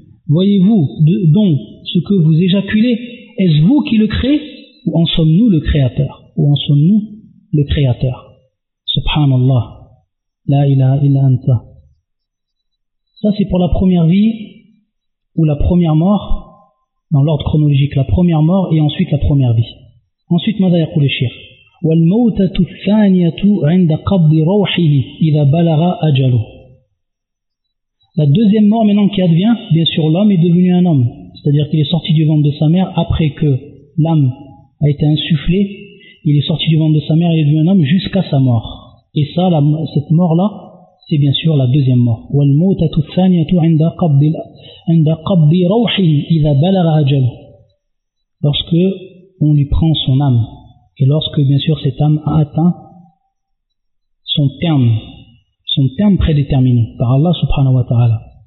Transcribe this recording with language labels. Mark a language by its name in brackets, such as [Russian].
[French] Voyez-vous donc ce que vous éjaculez, est-ce vous qui le créez ou en sommes-nous le créateur? Ou en sommes-nous le créateur? Subhanallah, [Arabic] la ilaha illa anta. [French] Ça c'est pour la première vie ou la première mort dans l'ordre chronologique, la première mort et ensuite la première vie. Ensuite, [Arabic] ماذا يقول الشيخ؟ والموتة الثانية عند قبض روحه إذا بلغ أجله. [French] La deuxième mort maintenant qui advient, bien sûr l'homme est devenu un homme, c'est-à-dire qu'il est sorti du ventre de sa mère après que l'âme a été insufflée, il est sorti du ventre de sa mère et est devenu un homme jusqu'à sa mort. Et ça, cette mort là, c'est bien sûr la deuxième mort. [Arabic] والموتة الثانية عند قبض روحه إذا بلغ أجله. [French] Lorsque on lui prend son âme. Et lorsque, bien sûr, cette âme a atteint son terme prédéterminé par Allah subhanahu wa ta'ala.